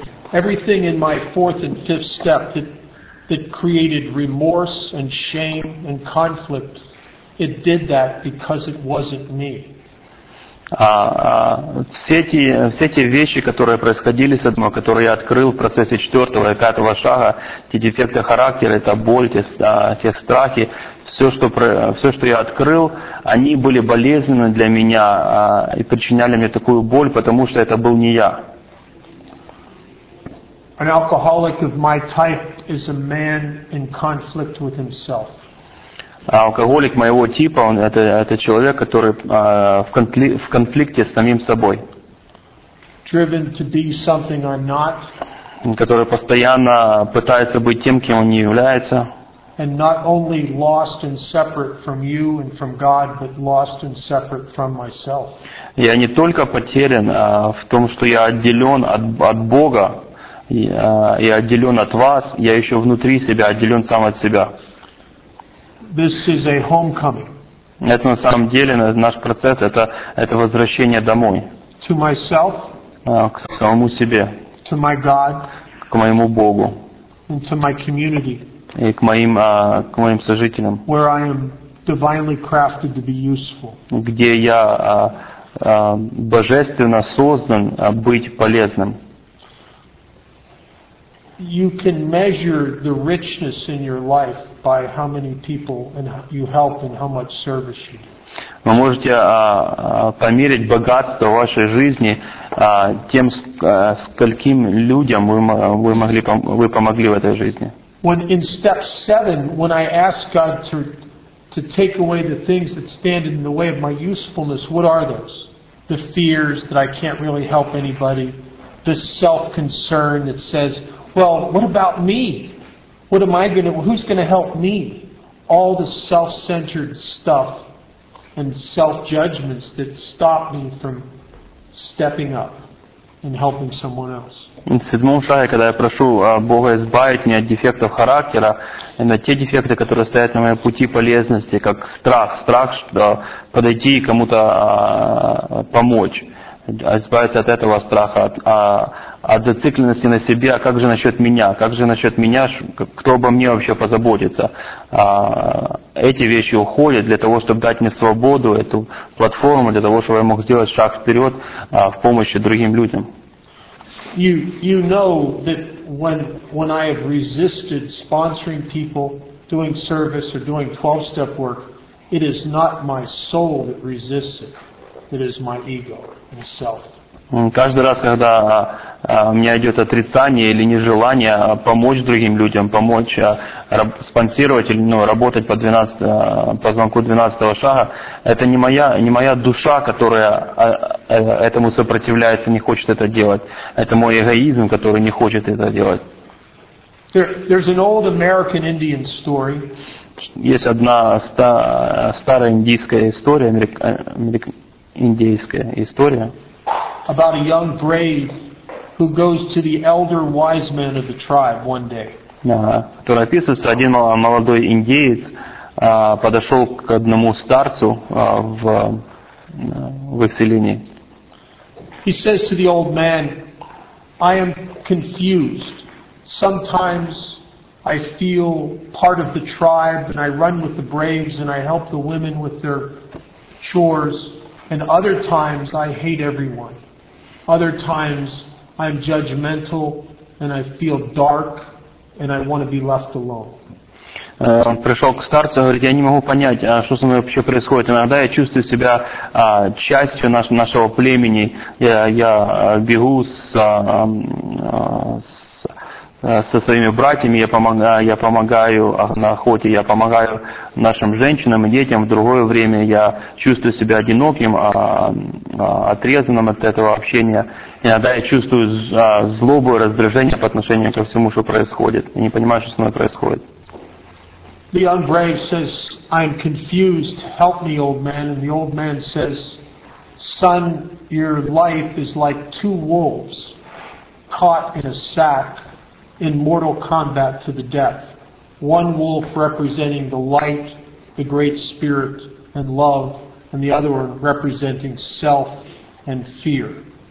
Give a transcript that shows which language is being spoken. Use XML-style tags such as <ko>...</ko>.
<en>Everything in my fourth and fifth step that created remorse and shame and conflict, it did that because it wasn't me.</en> <ru>Все эти вещи, которые происходили со мной, которые я открыл в процессе четвертого и пятого шага, те дефекты характера, эта боль, те страхи, все, что я открыл, они были болезненны для меня и причиняли мне такую боль, потому что это был не я.</ru> <en>An alcoholic of my type is a man in conflict with himself.</en> <ru>Алкоголик моего типа, он это человек, который в конфликте с самим собой.</ru> <en>Driven to be something I'm not.</en> <ru>Который постоянно пытается быть тем, кем он не является.</ru> <en>and not only lost and separate from you and from God, but lost and separate from myself.</en> <ru>Я не только потерян в том, что я отделен от Бога и отделен от вас, я еще внутри себя отделен сам от себя.</ru> <en>This is a homecoming.</en> <ru>Это на самом деле наш процесс, это возвращение домой.</ru> <en>To myself.</en> <ru>К самому себе.</ru> <en>To my God.</en> <ru>К моему Богу.</ru> <en>And to my community.</en> <ru>И к моим сожителям.</ru> <en>Where I am divinely crafted to be useful.</en> <ru>Где я божественно создан быть полезным.</ru> <en>You can measure the richness in your life by how many people and you help and how much service you do.</en> <ru>Вы можете померить богатство вашей жизни тем, скольким людям вы помогли в этой жизни.</ru> <en>When in step 7, when I ask God to take away the things that stand in the way of my usefulness, what are those? The fears that I can't really help anybody, the self-concern that says, well, what about me? What am I going to, who's going to help me? All the self-centered stuff and self-judgments that stop me from stepping up and helping someone else.</en> <ru>В седьмом шаге, когда я прошу Бога избавить меня от дефектов характера, именно те дефекты, которые стоят на моем пути полезности, как страх подойти и кому-то помочь, избавиться от этого страха, от зацикленности на себе, как же насчет меня, кто обо мне вообще позаботится. Эти вещи уходят для того, чтобы дать мне свободу, эту платформу, для того, чтобы я мог сделать шаг вперед в помощи другим людям.</ru> <en>You know that when I have resisted sponsoring people, doing service or doing 12-step work, it is not my soul that resists it. It is my ego and self.</en> <ru>Каждый раз, когда у меня идет отрицание или нежелание помочь другим людям, помочь спонсировать или работать по звонку 12-го шага, это не моя душа, которая этому сопротивляется, не хочет это делать. Это мой эгоизм, который не хочет это делать.</ru> <en>There's an old American Indian story.</en> <ru>Есть одна старая индийская история, индийская история.</ru> <en>About a young brave who goes to the elder wise man of the tribe one day.</en> <ru>Который описывается, один молодой индеец подошел к одному старцу в их селении.</ru> <en>He says to the old man, I am confused. Sometimes I feel part of the tribe and I run with the braves and I help the women with their chores, and other times I hate everyone. Other times I'm judgmental and I feel dark and I want to be left alone.</en> <ru>Он пришел к старцу и говорит, я не могу понять, что со мной вообще происходит. Иногда я чувствую себя частью нашего племени. Я бегу со своими братьями, я помогаю на охоте, я помогаю нашим женщинам и детям. В другое время я чувствую себя одиноким, отрезанным от этого общения. Иногда я чувствую злобу и раздражение по отношению ко всему, что происходит. Я не понимаю, что со мной происходит.</ru> <en>The young brave says, I'm confused, help me, old man. And the old man says, son, your life is like two wolves caught in a sack in mortal combat to the death. One wolf representing the light, the great spirit and love, and the other one representing self and fear.</en>